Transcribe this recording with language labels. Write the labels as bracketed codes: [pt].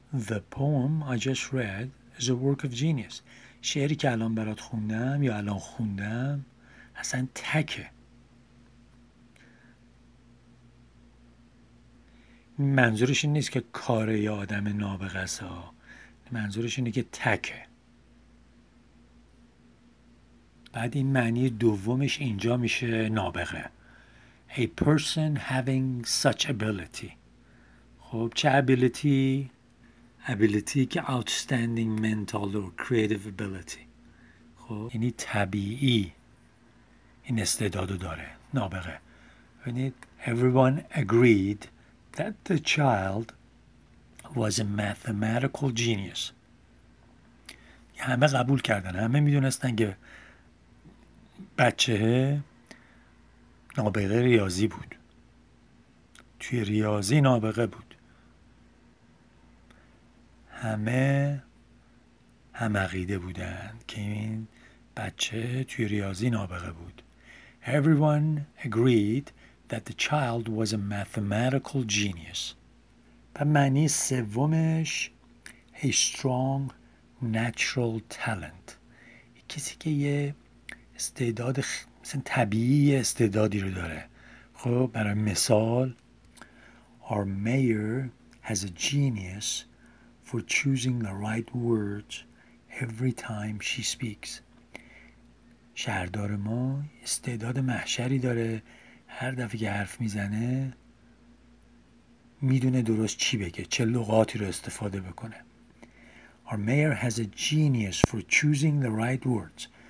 [en] The poem I just read is a work of genius. [fa] شعری که الان برات خوندم یا الان خوندم اصلا تکه. منظورش این نیست که کار یا آدم نابغه است، منظورش اینه که تکه. بعد این معنی دومش اینجا میشه نابغه، a person having such ability. [en] خب چه ability؟ ability که outstanding mental or creative ability. [fa] خب یعنی طبیعی این استعدادو داره، نابغه. [en] ببینید everyone agreed that the child was a mathematical genius. [fa] همه قبول کردن، همه میدونستن که بچه نابغه ریاضی بود، توی ریاضی نابغه بود. همه عقیده بودن که این بچه توی ریاضی نابغه بود. [en] Everyone agreed that the child was a mathematical genius. به معنی سومش a strong natural talent. [fa] کسی که یه استعداد مثلا طبیعی استعدادی رو داره. [en] خب برای مثال our mayor has a genius for choosing the right words every time she speaks. [fa] شهردار ما استعداد محشری داره، هر دفعه که حرف میزنه میدونه درست چی بگه، چه لغاتی رو استفاده بکنه. [en] Our mayor has a genius for choosing the right words.